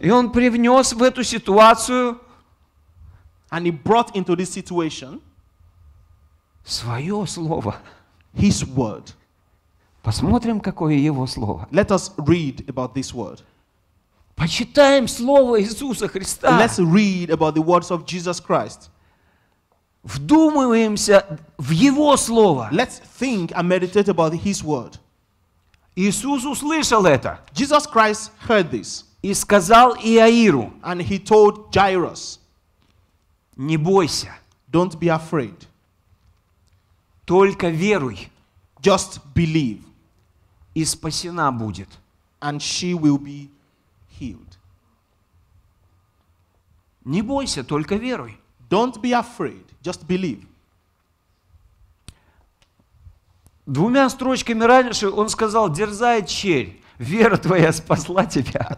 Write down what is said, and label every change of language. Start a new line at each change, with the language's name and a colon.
Russian: И он привнес в эту ситуацию.
English: And he brought into this situation.
Russian: Свое слово.
English: His word.
Russian: Посмотрим, какое его слово.
English: Let us read about this word.
Russian: Почитаем слово Иисуса Христа.
English: Let's read about the words of Jesus Christ.
Russian: Вдумываемся в его слово.
English: Let's think and meditate about his word.
Russian: Иисус услышал это.
English: Jesus Christ heard this.
Russian: И сказал Иаиру.
English: And he told Jairus.
Russian: Не бойся.
English: Don't be afraid.
Russian: Только веруй.
English: Just believe.
Russian: И спасена будет.
English: And she will be healed.
Russian: Не бойся, только веруй.
English: Don't be afraid, just believe.
Russian: Двумя строчками раньше он сказал: дерзай, черь, вера твоя спасла тебя.